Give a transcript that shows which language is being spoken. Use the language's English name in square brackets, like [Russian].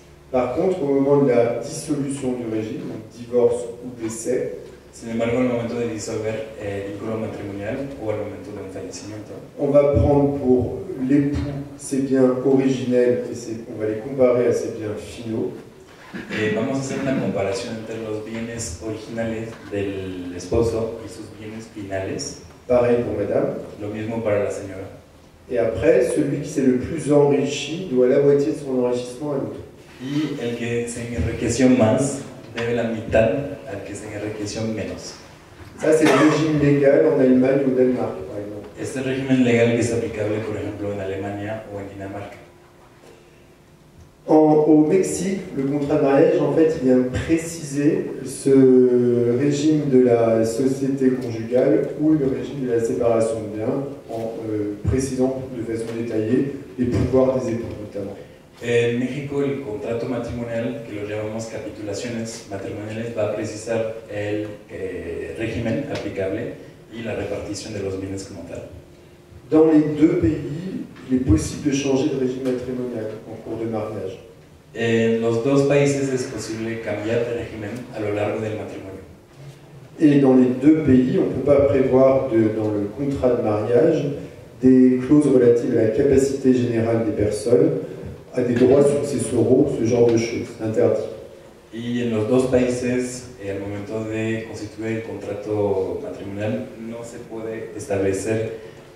[French] Par contre, au moment de la dissolution du régime, donc divorce ou décès, [Spanish] sin embargo, [French] au moment de dissolver le [Spanish] vínculo matrimonial [French] ou au moment d'un [Spanish] fallecimiento, [French] on va prendre pour l'époux ses biens originels et on va les comparer à ses biens finaux. [Spanish] Et vamos a hacer una comparación entre los bienes originales del esposo y sus bienes finales. [French] Pareil pour madame. [Spanish] Lo mismo para la señora. [French] Et après, celui qui s'est le plus enrichi doit la moitié de son enrichissement à l'autre. [Spanish] Y el que se enriqueció más debe la mitad al que se enriqueció menos. [French] Ça, c'est le régime légal en Allemagne ou Danemark, par exemple. [Spanish] Este régimen legal es aplicable, por ejemplo, en Alemania o en Dinamarca. [French] Au Mexique, le contrat de mariage, en fait, il vient préciser ce régime de la société conjugale ou le régime de la séparation de biens, en précisant de façon détaillée les pouvoirs des époux, notamment. [Spanish] En México, el contrato matrimonial, que lo llamamos capitulaciones matrimoniales, va a precisar el régimen aplicable y la repartición de los bienes como tal. [French] Dans les deux pays, il est possible de changer de régime matrimonial en cours de mariage. [Spanish] En los dos países es posible cambiar de régimen a lo largo del matrimonio. [French] Et dans les deux pays, on ne peut pas prévoir dans le contrat de mariage des clauses relatives à la capacité générale des personnes à des droits successoraux, ce genre de choses, interdit. [Spanish] Y en los dos países, al momento de constituir el contrato matrimonial, no se puede establecer